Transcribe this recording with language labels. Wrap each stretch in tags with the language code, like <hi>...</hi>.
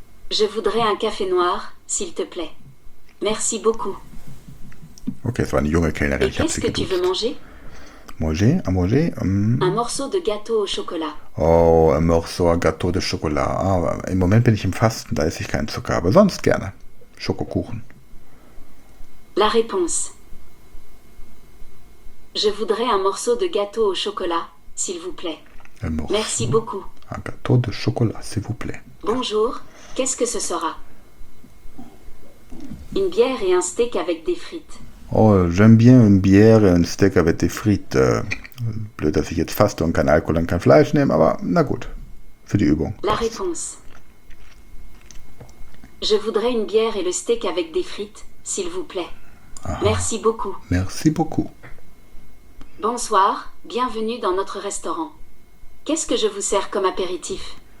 <fr>Je voudrais un café noir, s'il te plaît. Merci beaucoup. Ok, c'est une jeune Kellnerin. Et qu'est-ce que tu veux manger? Manger, à manger. Un morceau de gâteau au chocolat. Oh, un morceau de gâteau au chocolat.</fr> <de>Ah, im Moment bin ich im Fasten, da esse ich keinen Zucker, aber sonst gerne. Schokokuchen.</de> <fr>La réponse. Je voudrais un morceau de gâteau au chocolat, s'il vous plaît. Un morceau. Merci beaucoup. Un gâteau de chocolat, s'il vous plaît. Bonjour, qu'est-ce que ce sera? Une bière et un steak avec des frites. Oh, j'aime bien une bière et un steak avec des frites.</fr> <de>Blöd, dass ich jetzt faste und kein Alkohol und kein Fleisch nehme, aber na gut, für die Übung.</de> <fr>La réponse. Je voudrais une bière et le steak avec des frites, s'il vous plaît. Aha. Merci beaucoup. Merci beaucoup. Bonsoir, bienvenue dans notre restaurant. Qu'est-ce que je vous sers comme apéritif?</fr>